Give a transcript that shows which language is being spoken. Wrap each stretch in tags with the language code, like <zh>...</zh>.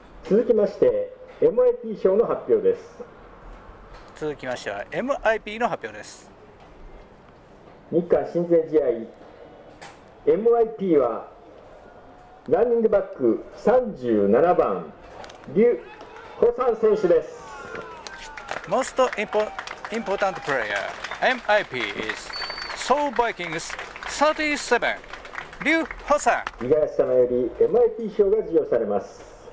<ja>続きまして MIP 賞の発表です。続きましては MIP の発表です。日韓親善試合 MIP はランニングバック37番リュ・ホサン選手です。</ja> <en>Most important player MIP is Seoul Vikings 37 リュ・ホサン。</en> <ja>五十嵐様より MIP 賞が授与されます。</ja>